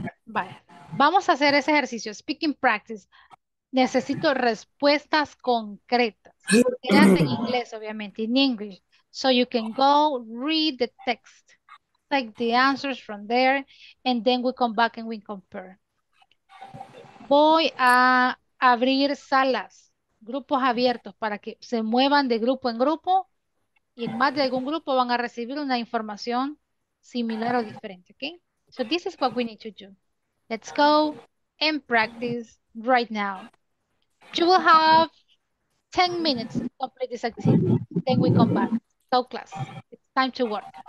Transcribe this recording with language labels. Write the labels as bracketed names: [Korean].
[Spanish] Vale. Vamos a hacer ese ejercicio, speaking practice. Necesito respuestas concretas. Eras en inglés, obviamente, [English] in English. So you can go read the text. Take the answers from there, and then we come back and we compare. [Spanish] Voy a abrir salas, grupos abiertos, para que se muevan de grupo en grupo, y en más de algún grupo van a recibir una información similar o diferente, ¿ok? [English] So this is what we need to do. Let's go and practice right now. You will have 10 minutes to complete this activity. Then we come back. So class, it's time to work.